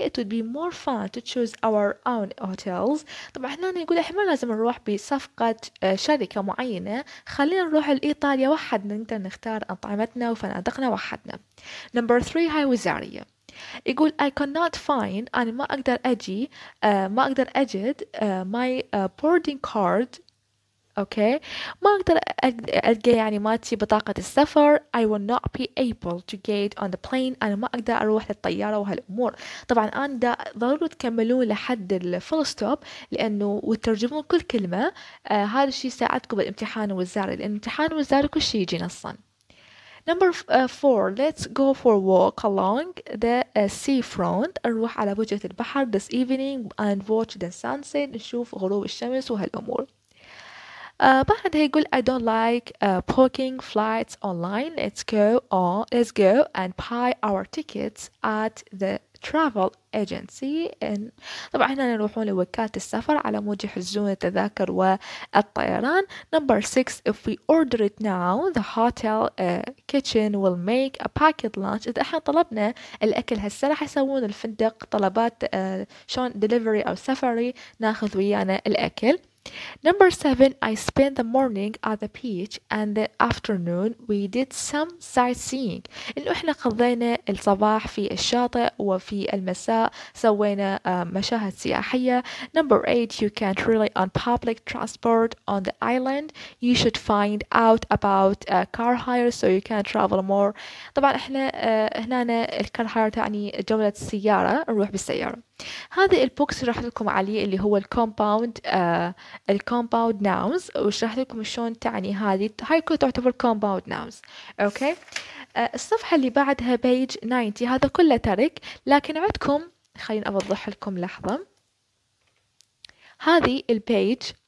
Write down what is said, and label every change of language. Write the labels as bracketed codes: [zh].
[en] It would be more fun to choose our own hotels. [ar] طبعا هنا نقول احنا لازم نروح بصفقة شركة معينة، خلينا نروح لإيطاليا وحدنا نقدر نختار أطعمتنا وفنادقنا وحدنا. [en] Number three [ar] هاي وزارية. يقول [en] I cannot find، [ar] أنا ما أقدر أجي ما أقدر أجد [en] my boarding card. [ar] اوكي، ما اقدر القى يعني ماتي بطاقة السفر. I will not be able to get on the plane، انا ما اقدر اروح للطيارة وهالامور. طبعا انا دا ضروري تكملون لحد الفول ستوب لانه وترجمون كل كلمة، هذا الشيء ساعدكم بالامتحان الوزاري، لان امتحان الوزاري كل شيء يجي نصا. [en] Number four, let's go for a walk along the seafront. [ar] أروح على وجهة البحر [en] this evening and watch the sunset، [ar] نشوف غروب الشمس وهالامور. بعد هيقول [en] I don't like booking flights online. Let's go and buy our tickets at the travel agency. [ar] طبعا هنا نروحون لوكالة السفر على مود يحجزون التذاكر والطيران. [en] Number six, if we order it now, the hotel kitchen will make a packet lunch. [ar] إذا إحنا طلبنا الأكل هسه راح يسوون الفندق طلبات شون delivery أو سفري، ناخذ ويانا الأكل. [en] Number seven, I spent the morning at the beach and the afternoon we did some sightseeing. [ar] إنه إحنا قضينا الصباح في الشاطئ وفي المساء سوينا مشاهد سياحية. [en] Number eight, you can't rely on public transport on the island. You should find out about car hire so you can travel more. [ar] طبعا إحنا هنا الكار هاير تعني جولة السيارة، نروح بالسيارة. هذا البوكس شرحت لكم عليه اللي هو الكومباوند الكومباوند ناونز، وشرحت لكم شلون تعني هذه، هاي كلها تعتبر كومباوند ناونز. اوكي، الصفحه اللي بعدها بيج 90 هذا كله ترك، لكن عندكم خليني اوضح لكم لحظه. هذه البيج